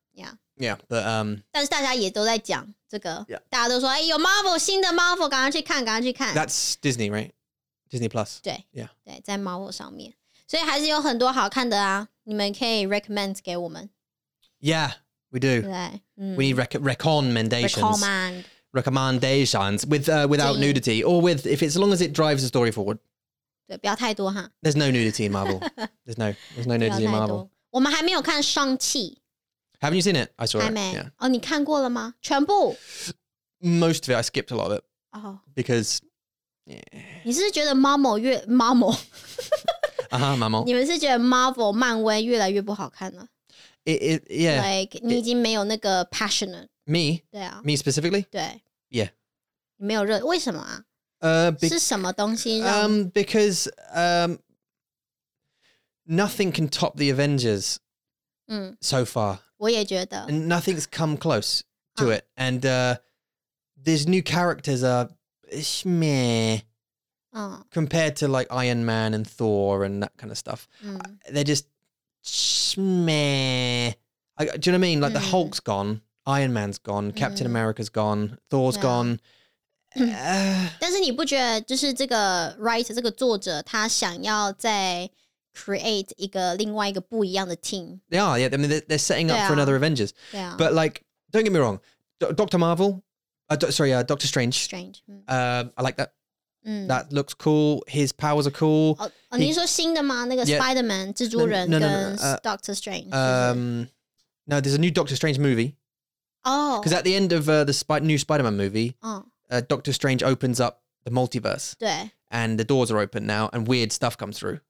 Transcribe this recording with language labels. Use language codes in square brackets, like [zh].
[en] Yeah. Yeah, but... [zh] 但是大家也都在讲这个。 [en] Yeah. [zh] 大家都说,欸,有 Marvel, 新的 Marvel, 赶快去看,赶快去看。 [en] That's Disney, right? Disney Plus. [zh] 对。 [en] Yeah. [zh] 对,在 Marvel 上面。所以还是有很多好看的啊,你们可以 recommend 给我们。 [en] Yeah, we do. [zh] 对。 [en] We need recommendations. Recommendations without nudity or with, if it's, as long as it drives the story forward. [zh] 对,不要太多哈。 [en] There's no nudity in Marvel. There's no nudity in Marvel. [zh] 我们还没有看 Shang-Chi。 [en] Haven't you seen it? I saw it. [zh] 还没。哦,你看过了吗?全部? [en] Most of it, I skipped a lot of it. Oh. Because, yeah. [zh] 你是觉得 Marvel 越, Marvel? [en] 啊哈 ,Marvel. [zh] 你们是觉得 Marvel, 漫威越来越不好看了? [en] It, yeah. [zh] Like, 你已经没有那个 passionate. [en] Me? Yeah. Me specifically? [zh] 对。 [en] Yeah. [zh] 没有热，为什么啊？是什么东西让 [en] Because nothing can top the Avengers so far. [zh] 我也觉得。 [en] And nothing's come close to it. And these new characters are meh compared to like Iron Man and Thor and that kind of stuff. They're just meh. Do you know what I mean? Like the Hulk's gone. Iron Man's gone, Captain America's gone, Thor's gone. [zh] 但是你不觉得就是这个 writer, 这个作者他想要再 create 一个另外一个不一样的 team? [en] They are, yeah. I mean, they're setting up for another Avengers. Yeah. But like, don't get me wrong, Dr. Marvel, Dr. Strange. Strange. I like that. That looks cool. His powers are cool. [zh] Oh, 你说新的吗? 那个 Spider-Man, 蜘蛛人跟 Dr. [en] Strange. No, there's a new Dr. Strange movie. Because at the end of the new Spider-Man movie, Doctor Strange opens up the multiverse. [zh] 对。 [en] And the doors are open now and weird stuff comes through.